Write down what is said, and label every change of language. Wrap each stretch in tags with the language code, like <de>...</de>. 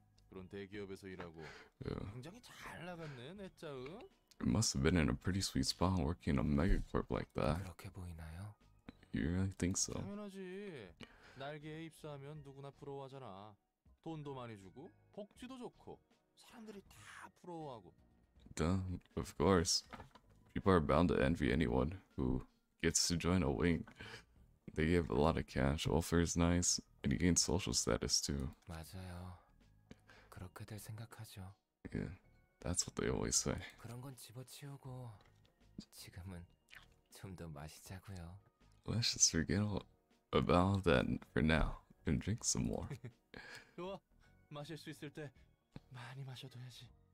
<ko>그런 대기업에서 일하고 굉장히 잘 나갔네, 내 짜응.</ko> <en>It must have been in a pretty sweet spot working in a megacorp like that.</en> <ko>그렇게 보이나요?</ko> <en>You really think so?</en> <ko>당연하지. 날개에 입사하면 누구나 부러워하잖아. 돈도 많이 주고 복지도 좋고 사람들이 다 부러워하고.</ko> <en>Duh, of course. People are bound to envy anyone who gets to join a wing. They give a lot of cash, welfare is nice, and you gain social status too.</en> <ko>맞아요. 그렇게들 생각하죠.</ko> <en>Yeah, that's what they always say.</en> <ko>그런 건 집어치우고 지금은 좀 더 마시자고요.</ko> <en>Let's just forget all about that for now and drink some more.</en> <ko>좋아, 마실 수 있을 때 많이 마셔둬야지.</ko>